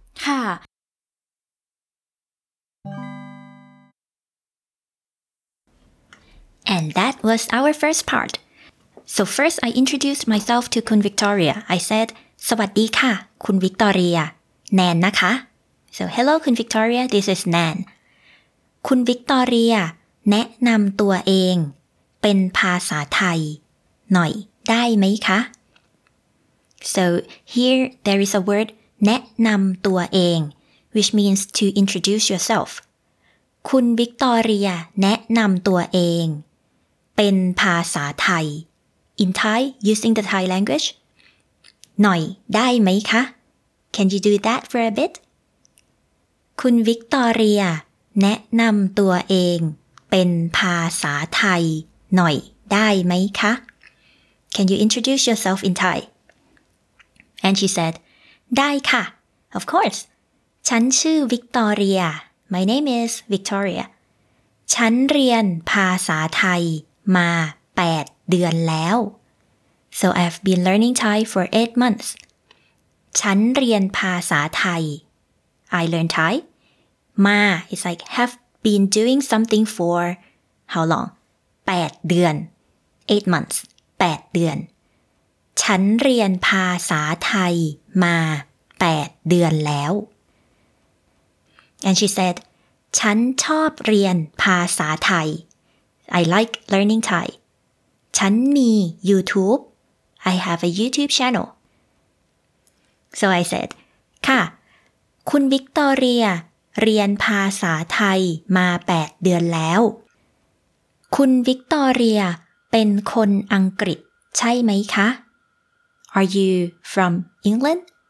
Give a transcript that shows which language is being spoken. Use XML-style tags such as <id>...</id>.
<en>ค่ะAnd that was our first part. So first I introduced myself to Kun Victoria. I said</en> <th>สวัสดีค่ะคุณวิกตอเรียแนนนะคะ</th> <en>So hello Kun Victoria, this is Nan.</en> <th>คุณวิกตอเรียแนะนำตัวเองเป็นภาษาไทยหน่อยได้ไหมคะ</th> <en>So here there is a word แนะนำตัวเอง which means to introduce yourself</en> <th>คุณวิกตอเรียแนะนำตัวเองเป็นภาษาไทย</th> <en>in Thai using the Thai language</en> <th>หน่อยได้ไหมคะ</th> <en>Can you do that for a bit</en> <th>คุณวิกตอเรียแนะนำตัวเองเป็นภาษาไทยหน่อยได้ไหมคะ</th> <en>Can you introduce yourself in Thai? And she said,</en> <th>ได้ค่ะ</th> <en>Of course.</en> <th>ฉันชื่อวิกตอเรีย</th> <en>My name is Victoria.</en> <th>ฉันเรียนภาษาไทยมา8เดือนแล้ว</th> <en>So I've been learning Thai for 8 months.</en> <th>ฉันเรียนภาษาไทย</th> <en>I learned Thai. มา is like haveBeen doing something for how long?</en> <th>8เดือน</th> <en>8 months</en> <th>8เดือนฉันเรียนภาษาไทยมา8เดือนแล้ว</th> <en>And she said</en> <th>ฉันชอบเรียนภาษาไทย</th> <en>I like learning Thai</en> <th>ฉันมี YouTube</th> <en>I have a YouTube channel So I said</en> <th>ค่ะคุณวิกตอเรียเรียนภาษาไทยมา8เดือนแล้วคุณวิกตอเรียเป็นคนอังกฤษใช่ไหมคะ</th> <en>Are you from England?</en>